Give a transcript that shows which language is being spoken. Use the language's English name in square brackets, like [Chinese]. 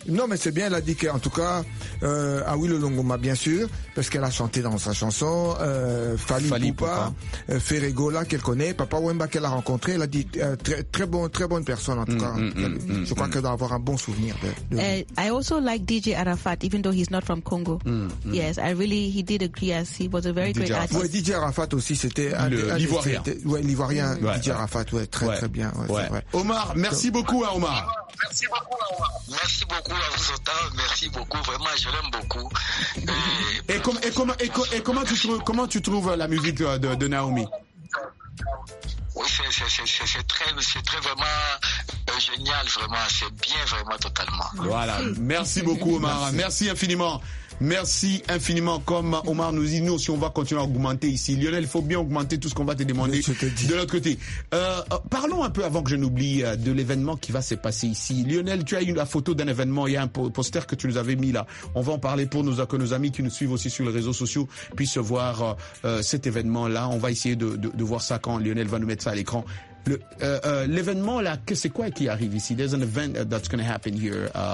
[French] Non, mais c'est bien, elle a dit qu'en tout cas, Awilo Longoma, bien sûr, parce qu'elle a chanté dans sa chanson, Fali Poupa, Ferregola qu'elle connaît, Papa Wemba qu'elle a rencontré, elle a dit, très bonne personne en tout cas. Je crois qu'elle doit avoir un bon souvenir de [English] I also like DJ Arafat. Even though he's not from Congo, yes, I really he did agree. Yes, he was a very DJ great artist. [French] Ouais, DJ Arafat aussi, c'était l'ivoirien. Ouais, l'ivoirien. Ouais. DJ Arafat, ouais, très bien. Ouais, ouais. C'est vrai. Omar, merci beaucoup à Omar. Merci beaucoup à vous, Ota. Merci beaucoup. Vraiment, je l'aime beaucoup. Comment tu trouves la musique de Naomi? Oui, c'est très vraiment génial, vraiment, c'est bien, vraiment, totalement. Voilà, merci beaucoup Omar, merci infiniment, comme Omar nous dit, nous aussi on va continuer à augmenter ici, Lionel, il faut bien augmenter tout ce qu'on va te demander de l'autre côté. Parlons un peu, avant que je n'oublie, de l'événement qui va se passer ici. Lionel, tu as eu la photo d'un événement, il y a un poster que tu nous avais mis là, on va en parler pour que nos amis qui nous suivent aussi sur les réseaux sociaux puissent voir cet événement là. On va essayer de voir ça quand Lionel va nous mettre ça à l'écran. L'événement là, c'est quoi qui arrive ici? [English] There's an event that's going to happen here.